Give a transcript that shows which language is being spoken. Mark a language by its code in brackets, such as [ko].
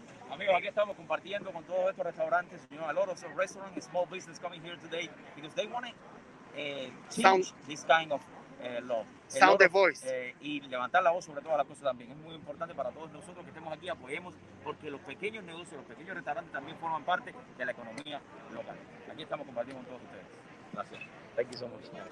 [es] Amigos, aquí estamos compartiendo con todos estos restaurantes. [en] You know, a lot of restaurant and small business coming here today because they want to change this kind of law. Sound the voice. [es] Y levantar la voz sobre todas las cosas también. Es muy importante para todos nosotros que estemos aquí, apoyemos, porque los pequeños negocios, los pequeños restaurantes también forman parte de la economía local. Aquí estamos compartiendo con todos ustedes. Gracias. [en] Thank you so much.